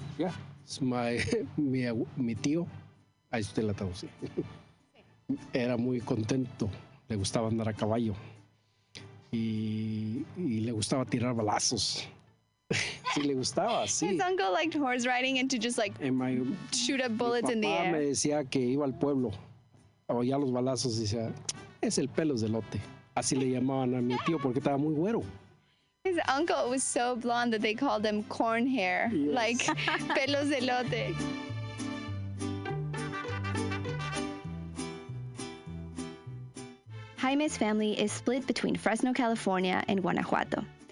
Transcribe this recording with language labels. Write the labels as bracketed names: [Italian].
[English] Yeah. It's [Spanish] mi tío. Ahí está la traducción. Era muy contento. Le gustaba andar a caballo. Y le gustaba tirar balazos. Sí, le gustaba, sí. [English] His uncle liked horse riding and to just like shoot up bullets in the air. [Spanish] Mi papá me decía que iba al pueblo. Oía los balazos y decía, es el pelos de lote. Así le llamaban a mi tío porque estaba muy güero. [English] His uncle was so blonde that they called him corn hair. Yes. Like [Spanish] pelos de lote. [English] Jaime's family is split between Fresno, California, and Guanajuato.